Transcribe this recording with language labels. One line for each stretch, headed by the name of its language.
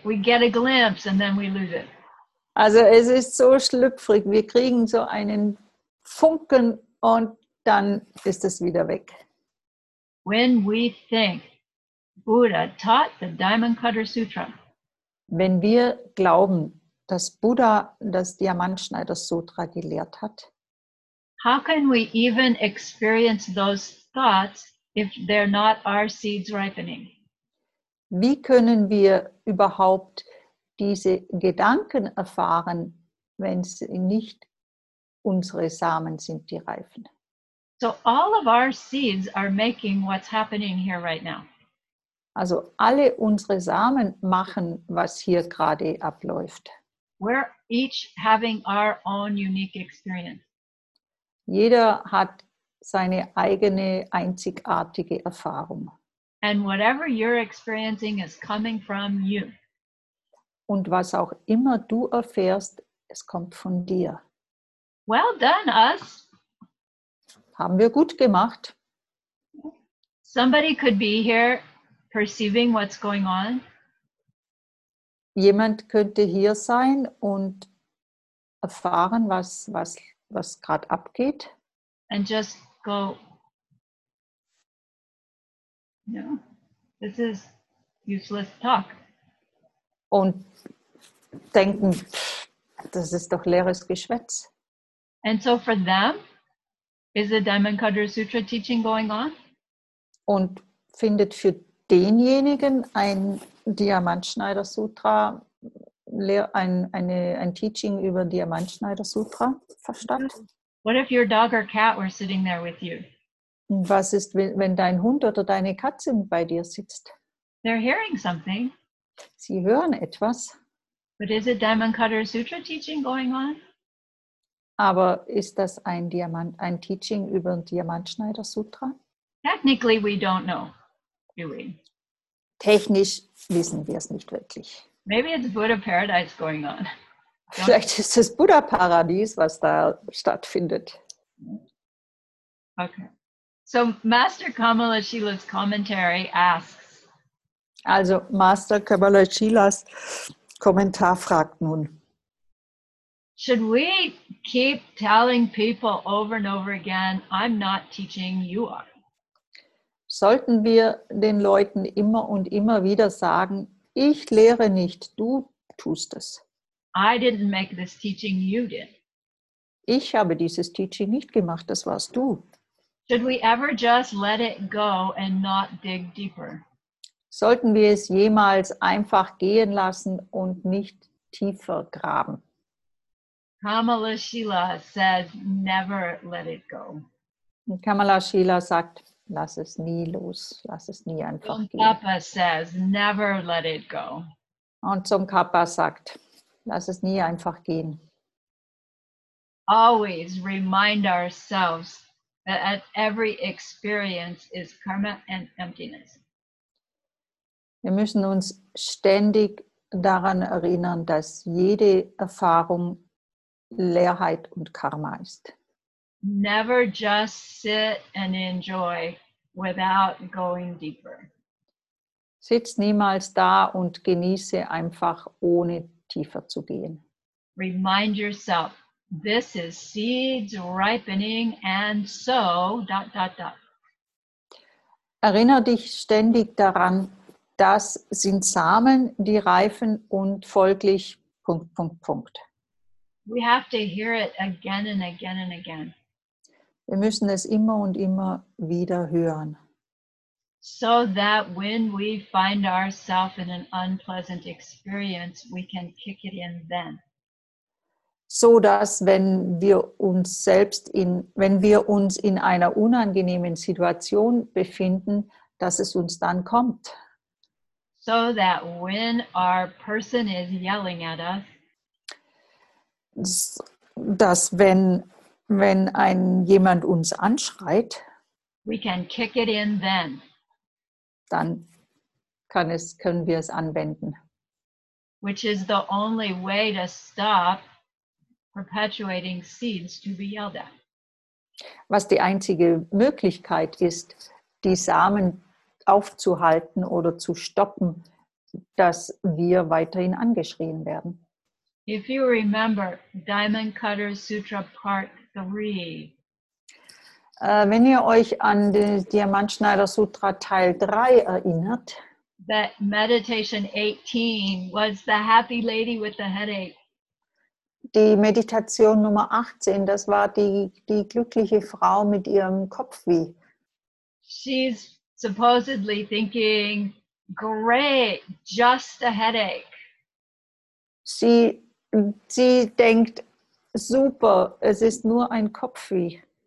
English: We get a glimpse and then we lose it.
German: Also es ist so schlüpfrig, wir kriegen so einen Funken und dann ist es wieder weg.
English: When we think Buddha taught the Diamond Cutter Sutra.
German: Wenn wir glauben, dass Buddha das Diamantschneider-Sutra gelehrt hat.
English: How can we even experience those thoughts if they're not our seeds ripening?
German: Wie können wir überhaupt diese Gedanken erfahren, wenn sie nicht unsere Samen sind, die reifen?
English: So all of our seeds are making what's happening here right now.
German: Also alle unsere Samen machen, was hier gerade abläuft.
English: We're each having our own unique experience.
German: Jeder hat seine eigene einzigartige Erfahrung.
English: And whatever you're experiencing is coming from you.
German: Und was auch immer du erfährst, es kommt von dir.
English: Well done, us.
German: Haben wir gut gemacht.
English: Somebody could be here perceiving what's going on.
German: Jemand könnte hier sein und erfahren, was gerade abgeht.
English: And just go. No, this is useless talk.
German: Und denken, das ist doch leeres Geschwätz.
English: And so for them, is the Diamond Cutter Sutra teaching going on?
German: Und findet für denjenigen ein Diamantschneider Sutra, ein Teaching über Diamantschneider Sutra verstand?
English: What if your dog or cat were sitting there with you?
German: Was ist, wenn dein Hund oder deine Katze bei dir sitzt?
English: They're hearing something.
German: Sie hören etwas.
English: But is a Diamond Cutter Sutra teaching going on?
German: Aber ist das ein Teaching über ein Diamantschneider Sutra?
English: Technically we don't know, do we?
German: Technisch wissen wir es nicht wirklich.
English: Maybe it's Buddha Paradise going on.
German: Vielleicht ist es Buddha Paradies, was da stattfindet.
English: Okay. So Master Kamala Shila's commentary asks.
German: Also Master Kamala Shila's Kommentar fragt nun.
English: Should we keep telling people over and over again, I'm not teaching, you are?
German: Sollten wir den Leuten immer und immer wieder sagen, ich lehre nicht, du tust es.
English: I didn't make this teaching, you did.
German: Ich habe dieses Teaching nicht gemacht, das warst du.
English: Should we ever just let it go and not dig deeper?
German: Sollten wir es jemals einfach gehen lassen und nicht tiefer graben?
English: Kamala Shila says, never let it go.
German: Kamala Shila sagt, lass es nie los, lass es nie einfach gehen.
English: Tsongkhapa says, never let it go.
German: Und Tsongkhapa sagt, lass es nie einfach gehen.
English: Always remind ourselves that at every experience is karma and emptiness.
German: Wir müssen uns ständig daran erinnern, dass jede Erfahrung Leerheit und Karma ist.
English: Never just sit and enjoy without going deeper.
German: Sitz niemals da und genieße einfach, ohne tiefer zu gehen.
English: Remind yourself, this is seeds ripening and so dot dot dot.
German: Erinnere dich ständig daran, das sind Samen, die reifen und folglich Punkt, Punkt, Punkt.
English: We have to hear it again and again and again.
German: Wir müssen es immer und immer wieder hören.
English: So that when we find ourselves in an unpleasant experience, we can kick it in then.
German: So dass, wenn wir uns in einer unangenehmen Situation befinden, dass es uns dann kommt.
English: So that when our person is yelling at us,
German: dass wenn jemand uns anschreit,
English: we can kick it in then.
German: Dann können wir es anwenden.
English: Which is the only way to stop perpetuating seeds to be yelled at.
German: Was die einzige Möglichkeit ist, die Samen aufzuhalten oder zu stoppen, dass wir weiterhin angeschrien werden.
English: If you remember Diamond Cutter Sutra Part 3.
German: Wenn ihr euch an das Diamantschneider Sutra Teil 3 erinnert.
English: That Meditation 18 was the happy lady with the headache.
German: Die Meditation Nummer 18, das war die glückliche Frau mit ihrem Kopfweh.
English: She's supposedly thinking, great, just a headache.
German: Sie denkt, super, es ist nur ein Kopfweh.